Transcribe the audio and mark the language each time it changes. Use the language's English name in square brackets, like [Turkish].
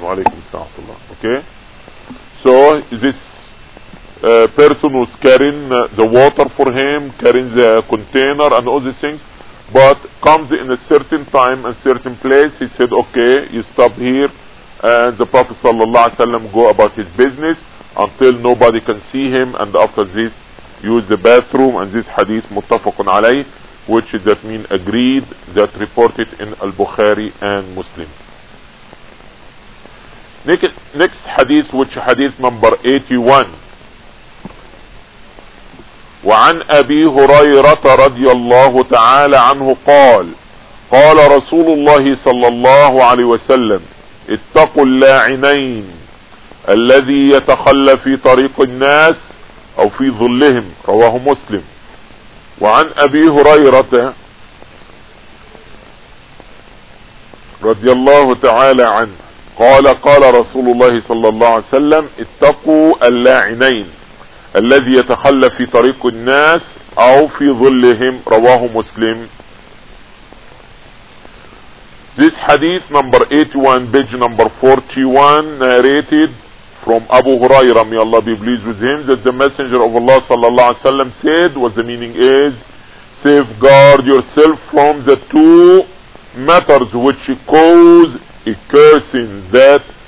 [English] Walaikum salam. Okay? So this person was carrying the water for him, carrying the container and all these things, but comes in a certain time and certain place, he said, okay, you stop here, and the Prophet sallallahu alaihi wasallam go about his business until nobody can see him, and after this use the bathroom. And this hadith muttafaqun alayh, which is that mean agreed, that reported in Al-Bukhari and Muslim. next hadith, which hadith number 81. [Arabic] وعن أبي هريرة رضي الله تعالى عنه قال قال رسول الله صلى الله عليه وسلم اتقوا اللاعنين الذي يتخلى في طريق الناس أو في ظلهم. رواه مسلم. وعن أبي هريرة رضي الله تعالى عنه قال قال رسول الله صلى الله عليه وسلم اتقوا اللاعنين الذي يتخلى في طريق الناس أو في ظلهم. رواه مسلم. [English] This hadith number 81, page number 41, narrated from Abu Hurairah, may Allah be pleased with him, that the Messenger of Allah sallallahu alaihi wasallam said, what the meaning is, safeguard yourself from the two matters which cause a cursing that